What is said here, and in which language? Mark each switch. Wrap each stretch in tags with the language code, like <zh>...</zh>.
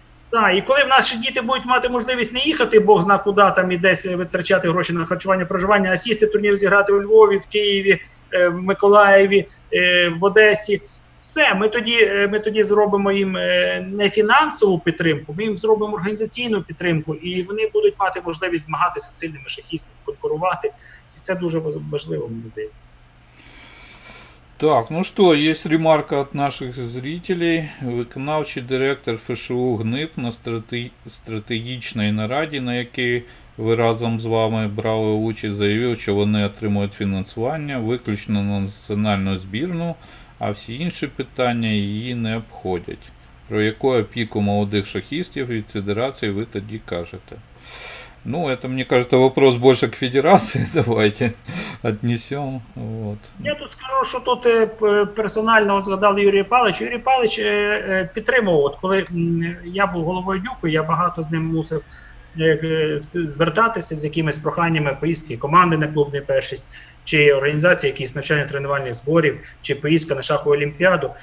<uk>Так, і коли в нас ще діти будуть мати можливість не їхати, Бог зна куди, там і десь витрачати гроші на харчування, проживання, а сісти турнір зіграти у Львові, в Києві, в Миколаєві, в Одесі. Все, ми тоді зробимо їм не фінансову підтримку, ми їм зробимо організаційну підтримку, і вони будуть мати можливість змагатися з сильними шахістами, конкурувати. І це дуже важливо, мені здається.</uk> <ru>Так, ну что, есть ремарка от наших зрителей.</ru> <uk>Виконавчий директор ФШУ ГНИП на стратегічній нараді, на якій ви разом з вами брали участь, заявив, що вони отримують фінансування виключно на національну збірну, а всі інші питання її не обходять. Про яку опіку молодих шахістів від федерації ви тоді кажете?</uk> <ru>Ну, это, мне кажется, вопрос больше к федерации, давайте отнесем. Вот. Я тут скажу, что тут персонально</ru> <uk>згадав</uk> <ru>Юрія Павловича.</ru> <uk>Юрій Павлович підтримував, от коли я був головою ДЮКу, я багато з ним мусив звертатися з якимись проханнями поїздки команди на клубний першість, чи організації якісь навчально-тренувальних зборів, чи поїздка на шахову олімпіаду.</uk>